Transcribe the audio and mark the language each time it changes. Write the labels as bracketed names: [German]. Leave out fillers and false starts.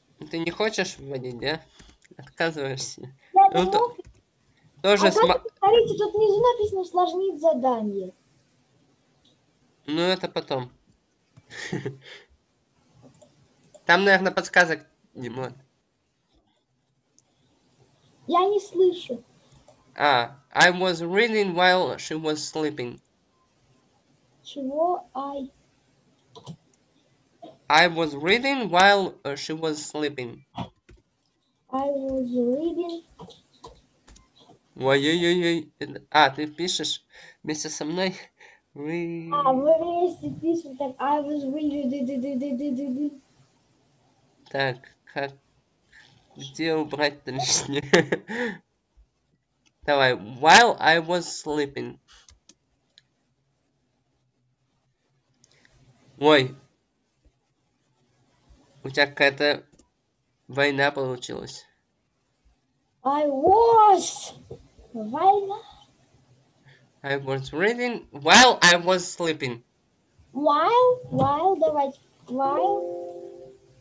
[Russian] Ты не хочешь вводить, да? Отказываешься. Я тоже а смотрите, тут внизу написано усложнить задание. Ну, это потом. Там, наверное, подсказок не будет. Я не слышу. [English] А, I was reading while she was sleeping. [Russian] Чего? [English] I was reading while she was sleeping. I was reading... [Russian] Ой-ой-ой-ой. А, ты пишешь вместе со мной? Мы вместе пишем, так [English] I was reading. [Russian] Так, как... Где убрать-то лишнее? Давай. [English] While I was sleeping. [Russian] Ой. У тебя какая-то война получилась. [English] I was... Война. I was reading while I was sleeping. While, давай, while.